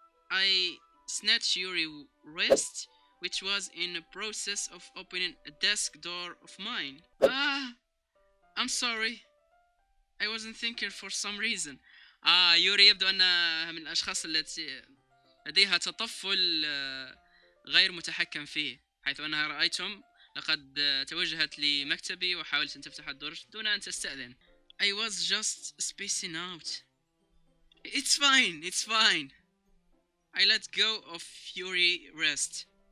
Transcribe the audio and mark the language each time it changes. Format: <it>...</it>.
<en>I snatched Yuri's wrist, which was in the process of opening a desk door of mine. I'm sorry. I wasn't thinking for some reason.</en> <ar>يوري يبدو أنها من الأشخاص التي لديها تطفل غير متحكم فيه، حيث أنها رأيتم لقد توجهت لمكتبي وحاولت أن تفتح الدرج دون أن تستأذن.</ar> <en>I was just spacing out. It's fine. I let go of Yuri's wrist.</en>